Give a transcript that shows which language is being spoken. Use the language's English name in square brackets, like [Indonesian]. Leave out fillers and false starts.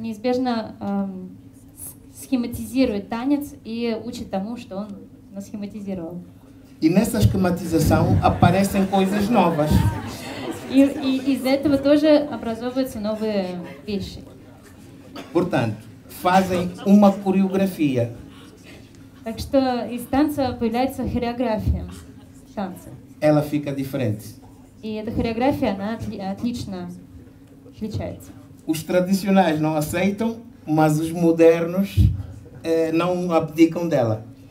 [Russian] Неизбежно схематизирует танец и учит тому, что он насхематизировал. [Portuguese] E nessa esquematização aparecem coisas novas. [Russian] E из этого тоже образовываются новые вещи. [Portuguese] Portanto, fazem uma coreografia. [Russian] Так что из танца появляется хореография танца. [Portuguese] Ela fica diferente. [Russian] И эта хореография, она отлично отличается. [Portuguese] Os tradicionais não aceitam, mas os modernos não abdicam dela.